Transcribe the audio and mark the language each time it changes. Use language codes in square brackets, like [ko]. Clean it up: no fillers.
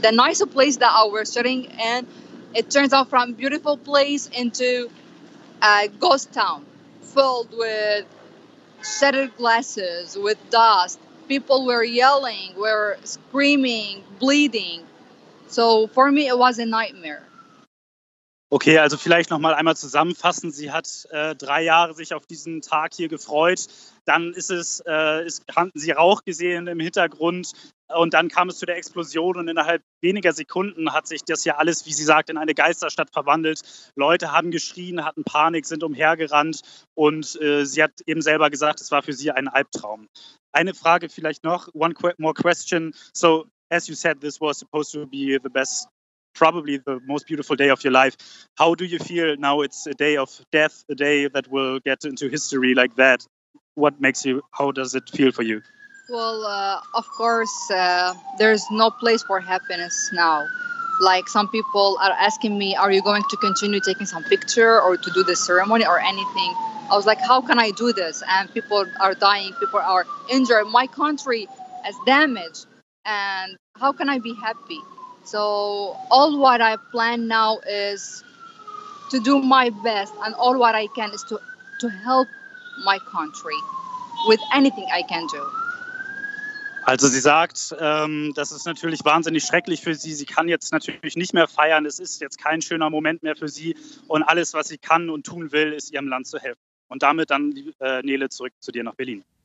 [en] The nicer place that I was sitting in, it turns out from beautiful place into a ghost town filled with shattered glasses, with dust. People were yelling, were screaming, bleeding. So for me, it was a nightmare. [de] Okay, also vielleicht noch mal einmal zusammenfassen. Sie hat 3 Jahre sich auf diesen Tag hier gefreut. Dann hatten sie Rauch gesehen im Hintergrund und dann kam es zu der Explosion und innerhalb weniger Sekunden hat sich das hier alles, wie sie sagt, in eine Geisterstadt verwandelt. Leute haben geschrien, hatten Panik, sind umhergerannt und sie hat eben selber gesagt, es war für sie ein Albtraum. Eine Frage vielleicht noch, [en] one more question. So, as you said, this was supposed to be the best, probably the most beautiful day of your life. How do you feel now it's a day of death, a day that will get into history like that? What makes you, how does it feel for you? Well, of course, there's no place for happiness now. Like some people are asking me, are you going to continue taking some picture or to do the ceremony or anything? I was like, how can I do this? And people are dying, people are injured. My country is damaged. And how can I be happy? So all what I plan now is to do my best and all what I can is to help my country with anything I can do. [de] Also sie sagt, das ist natürlich wahnsinnig schrecklich für sie. Sie kann jetzt natürlich nicht mehr feiern. Es ist jetzt kein schöner Moment mehr für sie. Und alles, was sie kann und tun will, ist ihrem Land zu helfen. Und damit dann, Nele, zurück zu dir nach Berlin.